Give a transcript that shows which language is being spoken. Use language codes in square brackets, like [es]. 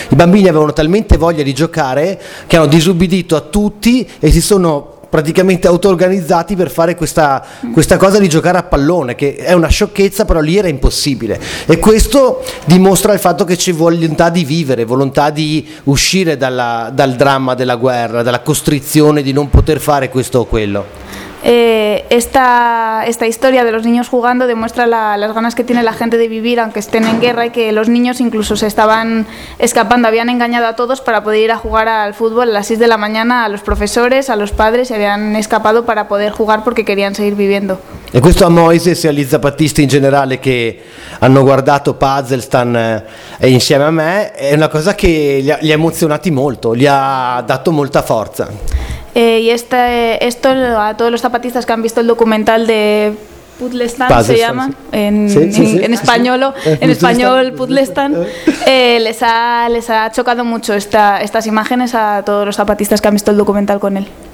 [it] I bambini avevano talmente voglia di giocare che hanno disubbidito a tutti e si sono praticamente auto-organizzati per fare questa cosa di giocare a pallone, che è una sciocchezza, però lì era impossibile. E questo dimostra il fatto che c'è volontà di vivere, volontà di uscire dal dramma della guerra, dalla costrizione di non poter fare questo o quello. [es] Esta historia de los niños jugando demuestra las ganas que tiene la gente de vivir aunque estén en guerra, y que los niños incluso se estaban escapando, habían engañado a todos para poder ir a jugar al fútbol a las 6 de la mañana, a los profesores, a los padres, y habían escapado para poder jugar porque querían seguir viviendo. [it] E questo a Moises e agli zapatisti in generale che hanno guardato Puzzlestan insieme a me è una cosa che li ha emozionati molto, li ha dato molta forza. [es] Y esto a todos los zapatistas que han visto el documental de Puzzlestan, se llama, en español Puzzlestan, les ha chocado mucho estas imágenes a todos los zapatistas que han visto el documental con él.